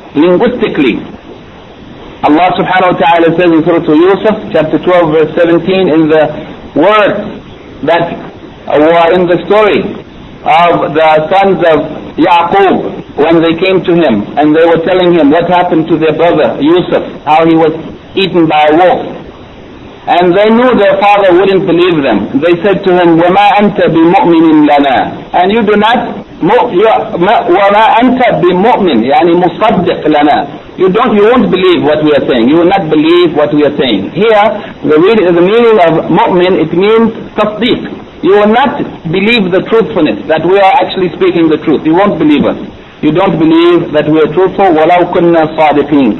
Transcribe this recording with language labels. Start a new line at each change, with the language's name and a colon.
English: Linguistically, Allah subhanahu wa ta'ala says in Surah Yusuf, chapter 12, verse 17, in the words that were in the story of the sons of Yaqub, when they came to him and they were telling him what happened to their brother Yusuf, how he was eaten by a wolf. And they knew their father wouldn't believe them. They said to him,
Arabic: وَمَا أَنْتَ بِمُؤْمِنٍ لَنَا.
English: And you do not,
Arabic: وَمَا أَنْتَ بِمُؤْمِنٍ يعني مُصَدِّقْ لَنَا.
English: You won't believe what we are saying. You will not believe what we are saying. Here, the meaning of mu'min, it means tasdiq. You will not believe the truthfulness, that we are actually speaking the truth. You won't believe us. You don't believe that we are truthful,
Arabic: وَلَوْ كُنَّا صَادِقِينَ.